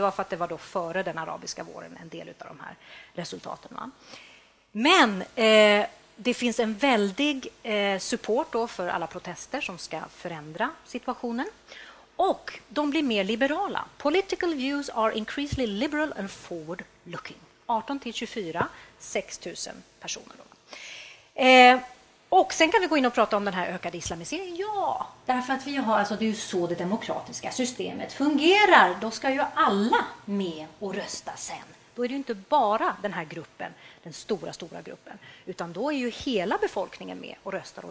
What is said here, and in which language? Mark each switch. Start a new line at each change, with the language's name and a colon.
Swedish: Det var för att det var då före den arabiska våren en del av de här resultaten. Va? Men det finns en väldig support då för alla protester som ska förändra situationen. Och de blir mer liberala.
English: Political views are increasingly liberal and forward looking.
Swedish: 18-24, 6 000 personer. Och sen kan vi gå in och prata om den här ökade islamiseringen. Ja, därför att vi har, alltså det är ju så det demokratiska systemet fungerar. Då ska ju alla med och rösta sen. Då är det ju inte bara den här gruppen, den stora, stora gruppen, utan då är ju hela befolkningen med och röstar.